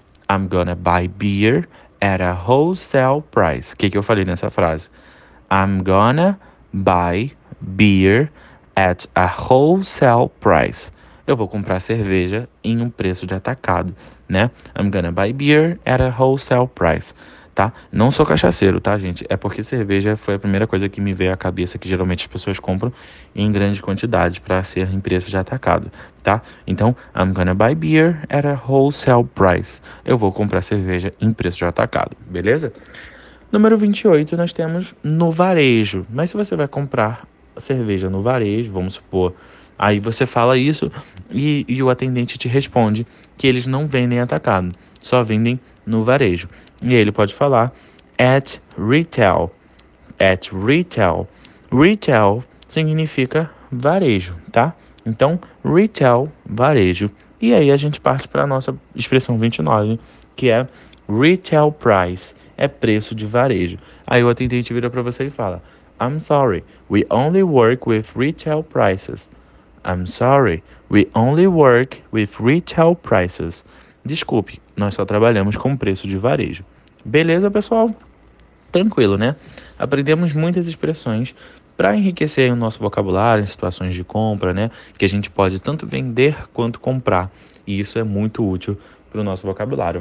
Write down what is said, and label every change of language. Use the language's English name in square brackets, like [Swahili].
[English] I'm gonna buy beer at a wholesale price. [Portuguese] O que que eu falei nessa frase? [English] I'm gonna buy beer at a wholesale price. [Portuguese] Eu vou comprar cerveja em um preço de atacado, né? [English] I'm gonna buy beer at a wholesale price, tá? [Portuguese] Não sou cachaceiro, tá, gente? É porque cerveja foi a primeira coisa que me veio à cabeça que geralmente as pessoas compram em grande quantidade para ser em preço de atacado, tá? [English] Então, I'm gonna buy beer at a wholesale price. [Portuguese] Eu vou comprar cerveja em preço de atacado, beleza? Número 28, nós temos no varejo. Mas se você vai comprar cerveja no varejo, vamos supor. Aí você fala isso e o atendente te responde que eles não vendem atacado, só vendem no varejo. E aí ele pode falar [English] at retail. At retail. [Portuguese] Retail significa varejo, tá? Então, retail, varejo. E aí a gente parte para a nossa expressão 29, que é retail price, é preço de varejo. Aí o atendente vira para você e fala: [English] I'm sorry, we only work with retail prices. I'm sorry, we only work with retail prices. [Portuguese] Desculpe, nós só trabalhamos com preço de varejo. Beleza, pessoal? Tranquilo, né? Aprendemos muitas expressões para enriquecer o nosso vocabulário em situações de compra, né? Que a gente pode tanto vender quanto comprar. E isso é muito útil para o nosso vocabulário.